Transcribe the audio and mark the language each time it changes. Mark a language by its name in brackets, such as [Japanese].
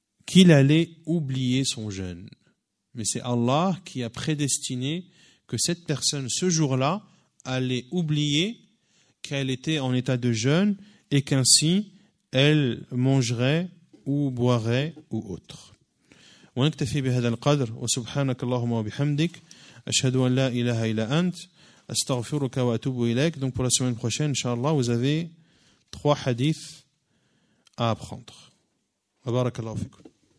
[French] qu'il allait oublier son jeûne. Mais c'est Allah qui a prédestiné que cette personne, ce jour-là, allait oublier qu'elle était en état de jeûne et qu'ainsi, elle mangerait ou boirait ou autre. [Arabic] ونكتفي بهذا القدر وسبحانك اللهم وبحمدك أشهد أن لا إله إلا أنت أستغفرك وأتوب إليك. [French] Donc pour la semaine prochaine, inshallah, vous avez trois hadiths à apprendre. [Arabic] وبارك الله فيكم.